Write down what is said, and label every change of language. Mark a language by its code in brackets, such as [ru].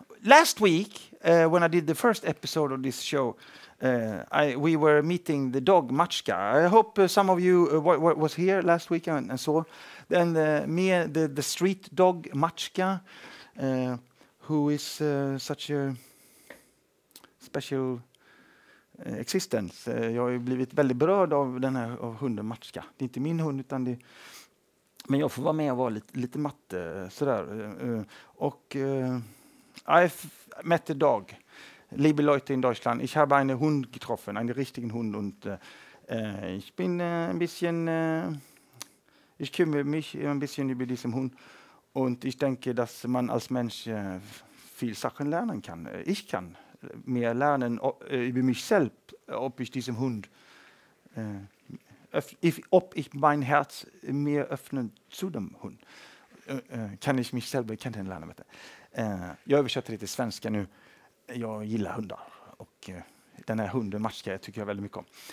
[en] Last week, when I did the first episode of this show, we were meeting the dog, Matska. I hope some of you was here last week and saw. Then me, the street dog, Matska, who is such a special existens. [sv] Jag har ju blivit väldigt berörd av den här av hunden Matska. Det är inte min hund, utan det. Men jag får vara med och vara lite matte sådär. [en] Och I've met a dog. [de] Liebe Leute in Deutschland. Ich habe eine Hund getroffen, einen richtigen Hund. Und ich bin ein bisschen. Ich kümmere mich ein bisschen über diesen Hund. Und ich denke, dass man als Mensch viel Sachen lernen kann. Ich kann mehr lernen über mich selbst, ob ich diesem Hund, ob ich mein Herz mehr öffne zu dem Hund, kann ich mich selber kennenlernen. [sv] Jag översätter lite svenska nu. Jag gillar hundar och den här hunden Matska tycker jag väldigt mycket om.